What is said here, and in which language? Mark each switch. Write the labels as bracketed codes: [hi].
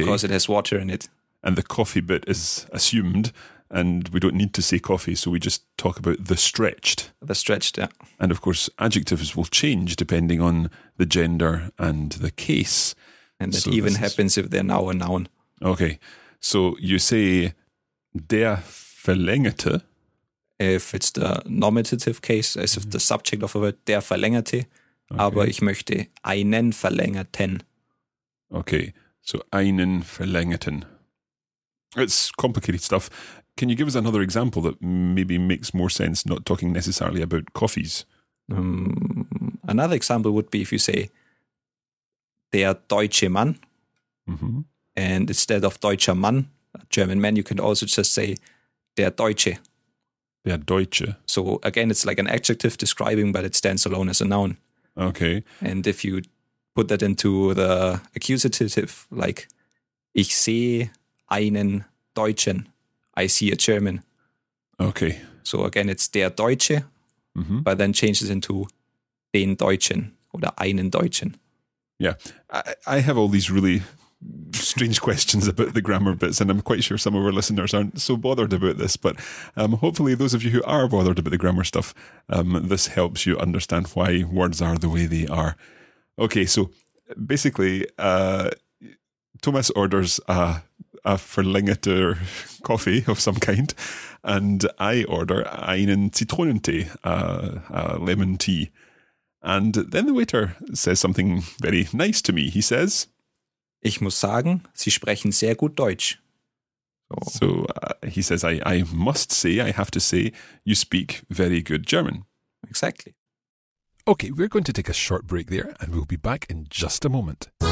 [en] Because it has water in it. And the coffee bit is assumed, and we don't need to say coffee, so we just talk about the stretched. The stretched, yeah. And of course, adjectives will change depending on the gender and the case. And that so even happens if they're now a noun. Okay. So you say [de] der Verlängerte. [en] If it's the nominative case, as if the subject of a word, [de] der Verlängerte. [en] Okay. [de] Aber ich möchte einen Verlängerten. [en] Okay, so [de] einen Verlängerten. [en] It's complicated stuff. Can you give us another example that maybe makes more sense, not talking necessarily about coffees? Another example would be if you say [de] der deutsche Mann. [en] Mm-hmm. And instead of [de] deutscher Mann, [en] German man, you can also just say [de] der Deutsche. Der Deutsche. [en] So again, it's like an adjective describing, but it stands alone as a noun. Okay. And if you put that into the accusative, like [de] ich sehe einen Deutschen, [en] I see a German. Okay. So again, it's [de] der Deutsche, [en] mm-hmm. [de] but then changes into den Deutschen oder einen Deutschen. [en] Yeah. I have all these really strange questions about the grammar bits, and I'm quite sure some of our listeners aren't so bothered about this, but hopefully those of you who are bothered about the grammar stuff, this helps you understand why words are the way they are. Okay, so basically Thomas orders a Verlängerte coffee of some kind, and I order [de] einen Zitronentee, [en] a lemon tea, and then the waiter says something very nice to me. He says, [de] ich muss sagen, Sie sprechen sehr gut Deutsch. [en] So he says, I must say, I have to say, you speak very good German. Exactly. Okay, we're going to take a short break there and we'll be back in just a moment.